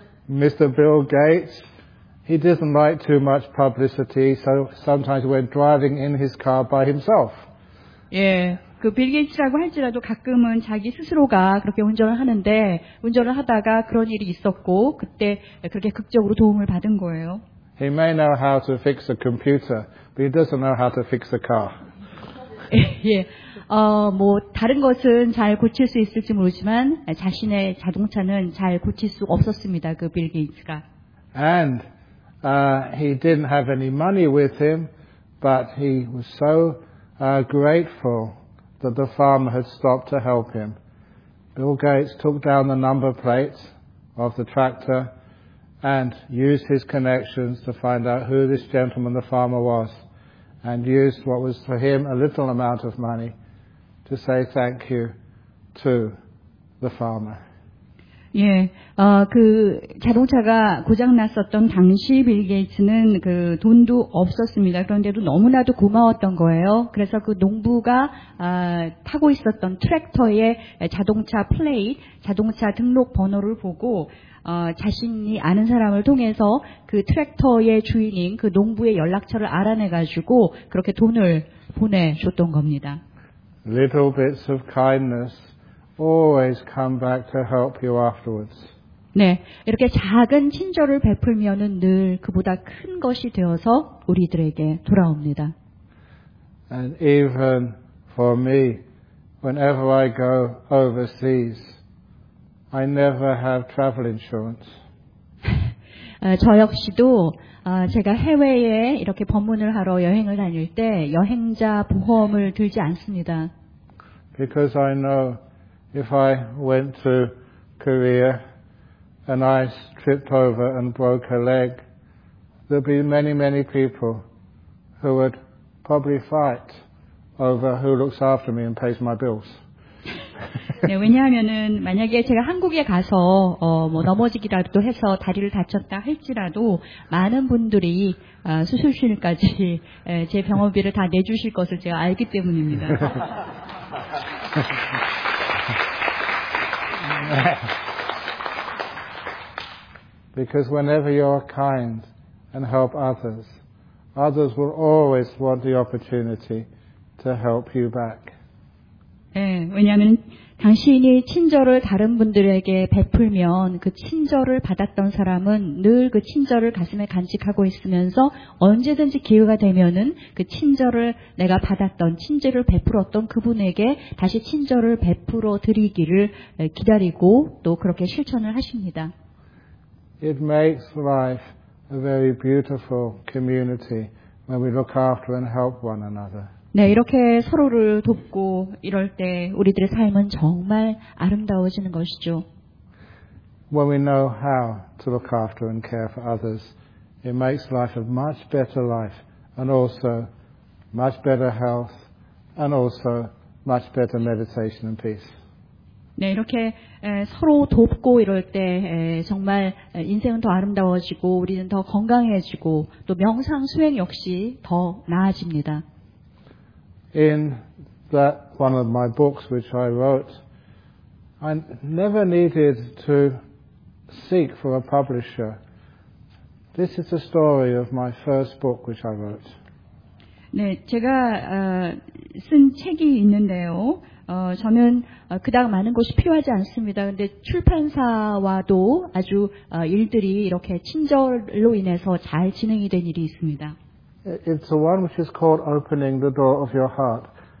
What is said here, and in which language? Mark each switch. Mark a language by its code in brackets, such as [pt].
[en] Mr. Bill Gates, he doesn't like too much publicity, so sometimes went driving in his car by himself. [ko] 예. 그 빌 게이츠라고 할지라도 가끔은 자기 스스로가 그렇게 운전을 하는데 운전을 하다가 그런 일이 있었고 그때 그렇게 극적으로 도움을 받은 거예요. [en] He may know how to fix a computer, but he doesn't know how to fix a car. [ko] 예. 뭐 다른 것은 잘 고칠 수 있을지 모르지만 자신의 자동차는 잘 고칠 수 없었습니다. 그 빌 게이츠가. [en] And he didn't have any money with him, but he was so grateful that the farmer had stopped to help him. Bill Gates took down the number plates of the tractor and used his connections to find out who this gentleman, the farmer, was, and used what was for him a little amount of money to say thank you to the farmer. [ko] 예, 그 자동차가 고장 났었던 당시 빌 게이츠는 그 돈도 없었습니다. 그런데도 너무나도 고마웠던 거예요. 그래서 그 농부가 타고 있었던 트랙터의 자동차 플레이트, 자동차 등록 번호를 보고 자신이 아는 사람을 통해서 그 트랙터의 주인인 그 농부의 연락처를 알아내가지고 그렇게 돈을 보내줬던 겁니다. [en] Little bits of kindness. Always come back to help you afterwards. [ko] 네, 이렇게 작은 친절을 베풀면은 늘 그보다 큰 것이 되어서 우리들에게 돌아옵니다. [en] And even for me, whenever I go overseas, I never have travel insurance. [ko] 저 역시도 제가 해외에 이렇게 방문을 하러 여행을 다닐 때 여행자 보험을 들지 않습니다. [en] Because I know. If I went to Korea and I tripped over and broke a leg, there'd be many, many people who would probably fight over who looks after me and pays my bills. [ko] 네, 왜냐하면은 만약에 제가 한국에 가서 뭐 넘어지기라도 해서 다리를 다쳤다 할지라도 많은 분들이 수술실까지 제 병원비를 다 내주실 것을 제가 알기 때문입니다. [en] Because whenever you are kind and help others, others will always want the opportunity to help you back. [ko] 네, 왜냐하면 당신이 친절을 다른 분들에게 베풀면 그 친절을 받았던 사람은 늘 그 친절을 가슴에 간직하고 있으면서 언제든지 기회가 되면은 그 친절을 내가 받았던 친절을 베풀었던 그분에게 다시 친절을 베풀어 드리기를 기다리고 또 그렇게 실천을 하십니다. [en] It makes life a very beautiful community when we look after and help one another. [ko] 네, 이렇게 서로를 돕고 이럴 때 우리들의 삶은 정말 아름다워지는 것이죠. [en] When we know how to look after and care for others, it makes life a much better life and also much better health and also much better meditation and peace. [ko] 네, 이렇게 서로 돕고 이럴 때 정말 인생은 더 아름다워지고 우리는 더 건강해지고 또 명상 수행 역시 더 나아집니다. [en] In that one of my books which I wrote, I never needed to seek for a publisher. This is the story of my first book which I wrote. [ko] 네, 제가 쓴 책이 있는데요. 저는 그닥 많은 것이 필요하지 않습니다. 근데 출판사와도 아주 일들이 이렇게 친절로 인해서 잘 진행이 된 일이 있습니다. [en] It's the one which is called Opening the Door of Your Heart.